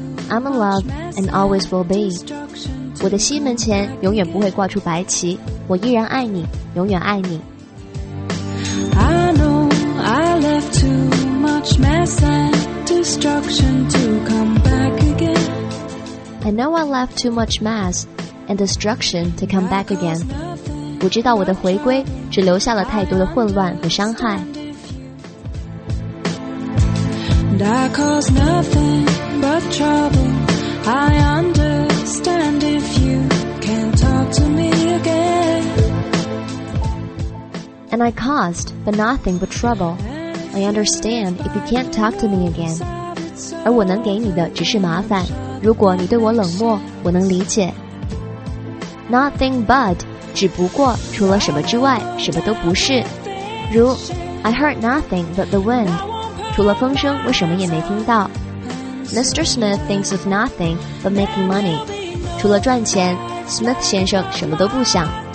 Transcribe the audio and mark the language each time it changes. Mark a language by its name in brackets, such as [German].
[English] I'm in love and always will be. [Chinese] 我的心门前永远不会挂出白旗，我依然爱你，永远爱你。 [English] I know I left too much mess and destruction to come back again. I know I left too much mess and destruction to come back again. [Chinese] 我知道我的回归只留下了太多的混乱和伤害。 [English] And I cause nothing but trouble. I understand if you can't talk to me again. And I caused but nothing but trouble. I understand if you can't talk to me again. [Chinese] 而我能给你的只是麻烦。如果你对我冷漠，我能理解。 [English] Nothing but [Chinese] 只不过除了什么之外，什么都不是。 [English] 如 I heard nothing but the wind. [Chinese] 除了风声，我什么也没听到。 [English] Mr. Smith thinks of nothing but making money. [Chinese] 除了赚钱 ，Smith 先生什么都不想。